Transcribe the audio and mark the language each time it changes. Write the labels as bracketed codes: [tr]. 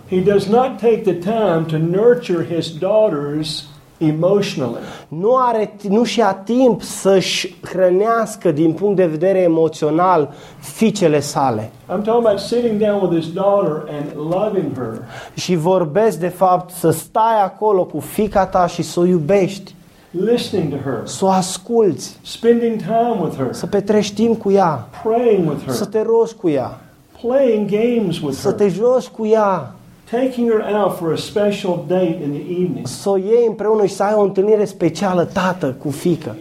[en] He does not take the time to nurture his daughters emotionally. [ro] Nu și-a timp să-și hrănească din punct de vedere emoțional fiicele sale. [en] I'm talking about sitting down with his daughter and loving her. [ro] Și vorbesc de fapt să stai acolo cu fiica ta și să o iubești. [en] Listening to her. [ro] Să o asculți. [en] Spending time with her. [ro] Să petrești timp cu ea. [en] Praying with her. [ro] Să te rogi cu ea. [en] Playing games with her. [ro] Să te joci cu ea. [en] Taking her out for a special date in the evening. [ro] Să o iei împreună și să ai o întâlnire specială tată cu fiică.